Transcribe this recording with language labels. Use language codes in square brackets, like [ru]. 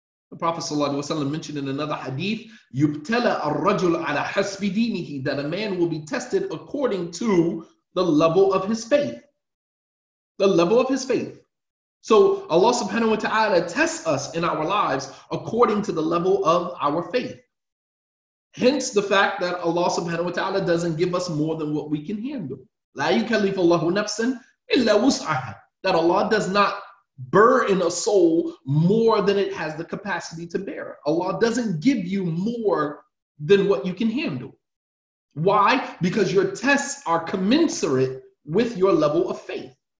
[en] The Prophet ﷺ mentioned in another hadith, [ar] يُبْتَلَى الرَّجُلُ عَلَى حَسْبِ دِينِهِ, [en] that a man will be tested according to the level of his faith. The level of his faith. So Allah subhanahu wa ta'ala tests us in our lives according to the level of our faith. Hence the fact that Allah subhanahu wa ta'ala doesn't give us more than what we can handle. [ar] لا يكلف الله نفسا إلا وسعها. [en] That Allah does not burden a soul more than it has the capacity to bear. Allah doesn't give you more than what you can handle. Why? Because your tests are commensurate with your level of faith.